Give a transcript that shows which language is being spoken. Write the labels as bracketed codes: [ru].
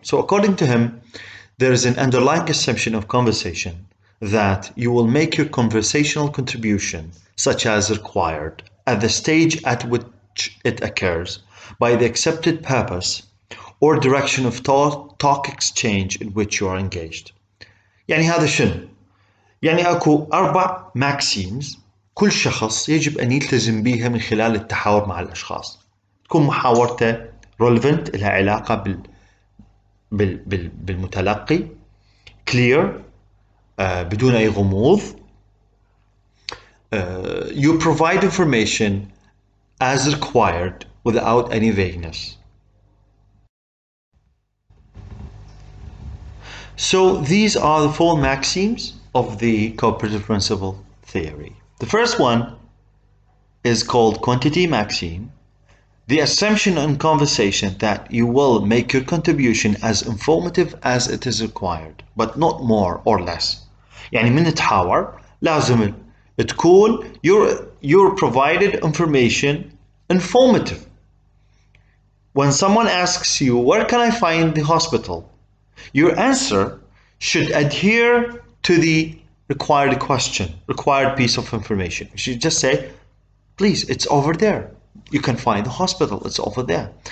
[en] So according to him, there is an underlying assumption of conversation that you will make your conversational contribution, such as required, at the stage at which it occurs, by the accepted purpose or direction of talk exchange in which you are engaged. [ar] يعني هذا شنو؟ يعني اكو اربع ماكسيمز كل شخص يجب ان يلتزم بيها من خلال التحاور مع الاشخاص. تكون محاورته relevant، لها علاقة بالمتلقي، clear، بدون اي غموض. [en] You provide information as required without any vagueness. So these are the four maxims of the cooperative principle theory. The first one is called quantity maxim. The assumption in conversation that you will make your contribution as informative as it is required, but not more or less. [ar] يعني من التحاور لازم تكون [en] you're provided information informative. When someone asks you, where can I find the hospital? Your answer should adhere to the required question, required piece of information. You should just say, please, it's over there. You can find the hospital, it's over there.